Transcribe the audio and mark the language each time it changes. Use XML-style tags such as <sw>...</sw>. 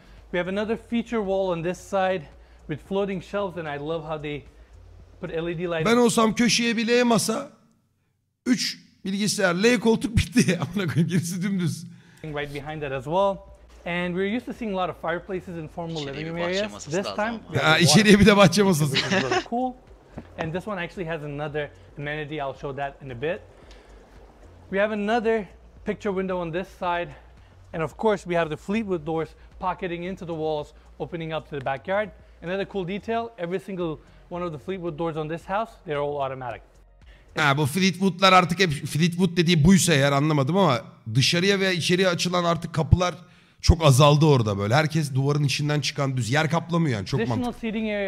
<en>We have another feature wall on this side with floating shelves and I love how they put LED lights.</en> <tr>Ben olsam köşeye bir L masa, 3 bilgisayar, L koltuk bitti. Amına koyayım, gerisi dümdüz.</tr> <en>Right behind that as well, and we're used to seeing a lot of fireplaces in formal</en> <tr>i̇çeriye</tr> <en>living areas. This time,</en> <tr>içeriye bir de bahçe masası.</tr> <en>This is really cool, and this one actually has another amenity. I'll show that in a bit. We have another picture window on this side, and of course, we have the Fleetwood doors pocketing into the walls, opening up to the backyard. Another cool detail: every single one of the Fleetwood doors on this house, they're all automatic.</en> <tr>Ha, bu Fleetwood'lar artık hep Fleetwood dediği buysa eğer, anlamadım ama dışarıya veya içeriye açılan artık kapılar çok azaldı orada böyle. Herkes duvarın içinden çıkan düz yer kaplamıyor yani, çok mantıklı.</tr>